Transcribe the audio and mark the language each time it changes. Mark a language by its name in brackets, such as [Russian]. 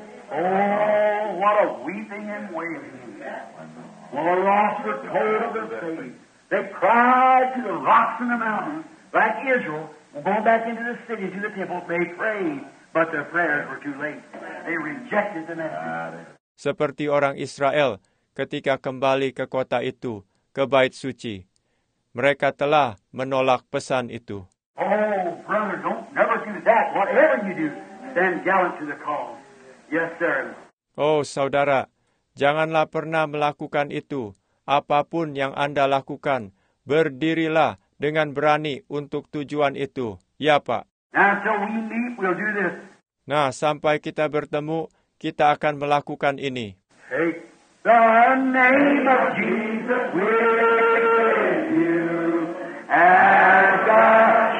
[English] Oh, what a weeping and wailing. When the lost were told of their fate, they cried to the rocks and the mountains, like Israel, going back into the city, to the temple, they prayed, but their prayers were too late. They rejected the message. [Indonesian] Seperti orang Israel, ketika kembali ke kota itu, ke Bait Suci, mereka telah menolak pesan itu. [English] Oh, brother, don't never do that. Whatever you do, stand gallant to the call. Yes, sir. [Indonesian] Oh, saudara, janganlah pernah melakukan itu. Apapun yang Anda lakukan, berdirilah dengan berani untuk tujuan itu. Ya, Pak. [English] Now, until we meet, we'll do this. [Indonesian] Nah, sampai kita bertemu, kita akan melakukan ini. [English] Take the name of Jesus with you as God.